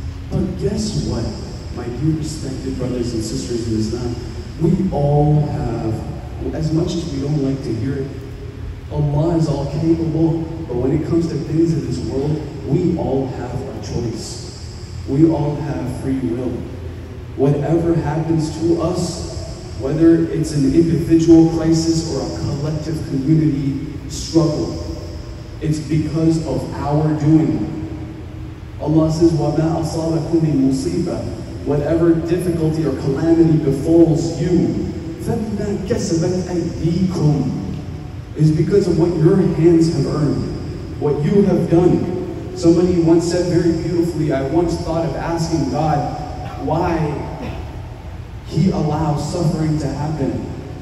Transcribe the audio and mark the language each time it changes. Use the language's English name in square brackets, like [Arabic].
[English] But guess what, my dear respected brothers and sisters in Islam, we all have, as much as we don't like to hear it, Allah is all capable, but when it comes to things in this world, we all have a choice. We all have free will. Whatever happens to us, whether it's an individual crisis or a collective community struggle, it's because of our doing. Allah says, [Arabic] وَمَا أَصَابَكُمْ مِنْ مُصِيبَةٍ. [English] Whatever difficulty or calamity befalls you, [Arabic] فَبِمَا كَسَبَتْ أَيْدِيكُمْ, [English] is because of what your hands have earned, what you have done. Somebody once said very beautifully, I once thought of asking God why He allows suffering to happen.